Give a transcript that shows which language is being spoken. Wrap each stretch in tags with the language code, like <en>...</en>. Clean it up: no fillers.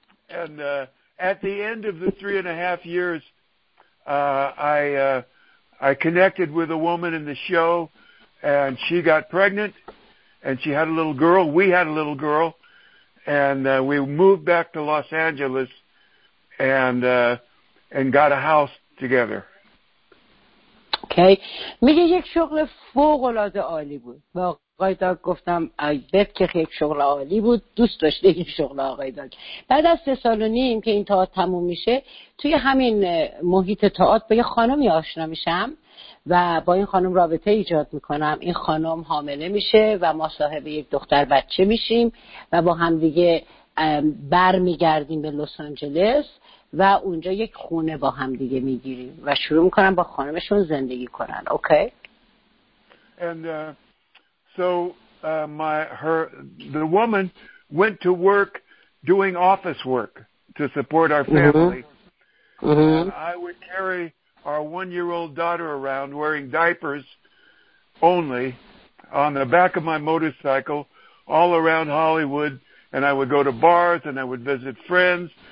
<en>And at the end of the 3.5 years, I connected with a woman in the show, and she got pregnant, and she had a little girl. We had a little girl, and we moved back to Los Angeles and got a house together. Okay.</en> <fa>میگه یک شغل فوق العاده عالی بود. با آقای داگ گفتم</fa> <en>I bet</en> <fa>که یک شغل عالی بود، دوست داشته این شغل آقای داگ. بعد از 3.5 سال که این تئاتر تموم میشه، توی همین محیط تئاتر با یه خانمی آشنا میشم و با این خانم رابطه ایجاد میکنم. این خانم حامله میشه و ما صاحب یک دختر بچه میشیم و با همدیگه برمیگردیم به لس آنجلس و اونجا یک خونه با هم دیگه میگیریم و شروع میکنم با خانمشون زندگی کنن. اوکی.</fa> <en>And so the woman went to work doing office work to support our family. Mm-hmm. I would carry our 1-year-old daughter around wearing diapers only on the back of my motorcycle all around Hollywood, and I would go to bars and I would visit friends.</en>